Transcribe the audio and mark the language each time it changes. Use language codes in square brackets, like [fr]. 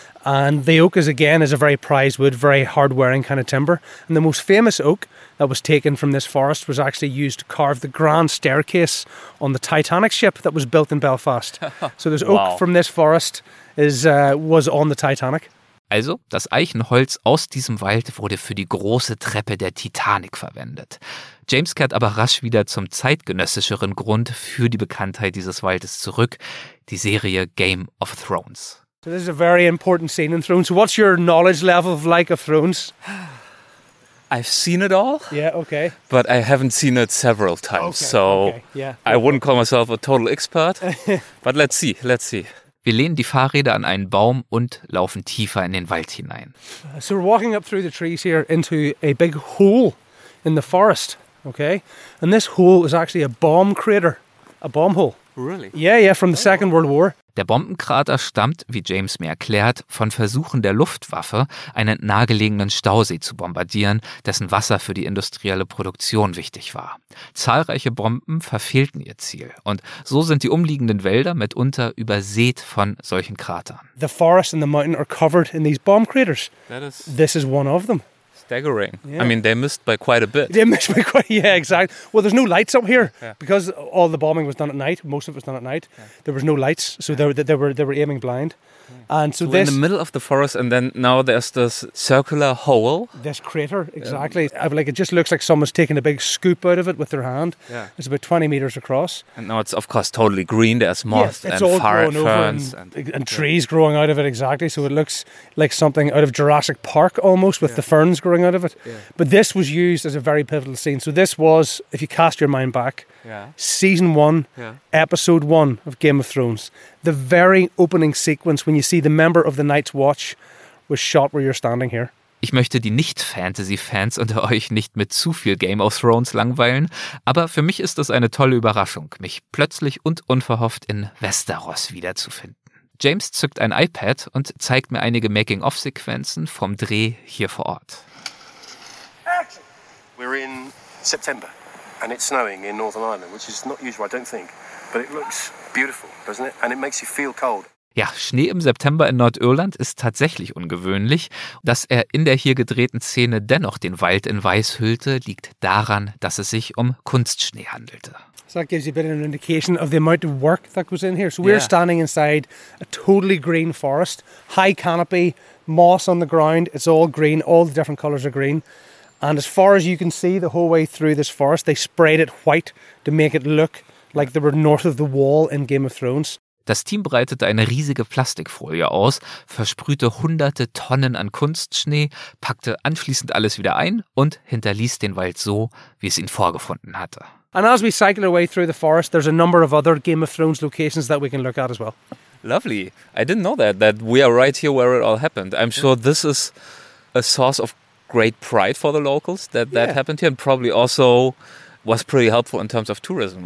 [en] And the oak is a very prized wood, very hard-wearing kind of timber. And the most famous oak that was taken from this forest was actually used to carve the grand staircase on the Titanic ship that was built in Belfast. So this oak from this forest was on the Titanic. [de] Also, das Eichenholz aus diesem Wald wurde für die große Treppe der Titanic verwendet. James kehrt aber rasch wieder zum zeitgenössischeren Grund für die Bekanntheit dieses Waldes zurück, die Serie Game of Thrones. [en] So this is a very important scene in Thrones. What's your knowledge level of like of Thrones? I've seen it all. Yeah, okay. But I haven't seen it several times. Okay, I wouldn't call myself a total expert. But let's see. [de] Wir lehnen die Fahrräder an einen Baum und laufen tiefer in den Wald hinein. [en] So we're walking up through the trees here into a big hole in the forest, okay? And this hole is actually a bomb crater, a bomb hole. Really? Yeah, yeah, from the Second World War. [de] Der Bombenkrater stammt, wie James mir erklärt, von Versuchen der Luftwaffe, einen nahegelegenen Stausee zu bombardieren, dessen Wasser für die industrielle Produktion wichtig war. Zahlreiche Bomben verfehlten ihr Ziel und so sind die umliegenden Wälder mitunter übersät von solchen Kratern. [en] The forest and the mountain are covered in these bomb craters. This is one of them. Staggering. Yeah. I mean, they missed by quite a bit. They missed by quite, yeah, exactly. Well, there's no lights up here because all the bombing was done at night. Most of it was done at night. Yeah. There was no lights, so they were aiming blind. Yeah. And so in the middle of the forest, and then now there's this circular hole. This crater, exactly. Yeah. It just looks like someone's taken a big scoop out of it with their hand. Yeah. It's about 20 meters across. And now it's, of course, totally green. There's moss and all fire ferns. And trees growing out of it, exactly. So it looks like something out of Jurassic Park almost with the ferns growing out of it. Yeah. But this was used as a very pivotal scene. So this was, if you cast your mind back, season one, episode one of Game of Thrones. The very opening sequence when you see the member of the Night's Watch was shot where you're standing here. [de] Ich möchte die Nicht-Fantasy-Fans unter euch nicht mit zu viel Game of Thrones langweilen, aber für mich ist das eine tolle Überraschung, mich plötzlich und unverhofft in Westeros wiederzufinden. James zückt ein iPad und zeigt mir einige Making-of-Sequenzen vom Dreh hier vor Ort. [en] We're in September and it's snowing in Northern Ireland, which is not usual, I don't think. But it looks beautiful, doesn't it? And it makes you feel cold. [de] Ja, Schnee im September in Nordirland ist tatsächlich ungewöhnlich. Dass er in der hier gedrehten Szene dennoch den Wald in Weiß hüllte, liegt daran, dass es sich um Kunstschnee handelte. [en] So that gives you a bit of an indication of the amount of work that goes in here. So we're standing inside a totally green forest, high canopy, moss on the ground. It's all green. All the different colors are green. And as far as you can see the whole way through this forest, they sprayed it white to make it look like they were north of the wall in Game of Thrones. [de] Das Team breitete eine riesige Plastikfolie aus, versprühte hunderte Tonnen an Kunstschnee, packte anschließend alles wieder ein und hinterließ den Wald so, wie es ihn vorgefunden hatte. [en] And as we cycle our way through the forest, there's a number of other Game of Thrones locations that we can look at as well. Lovely. I didn't know that we are right here where it all happened. I'm sure this is a source of great pride for the locals that happened here, and probably also was pretty helpful in terms of tourism.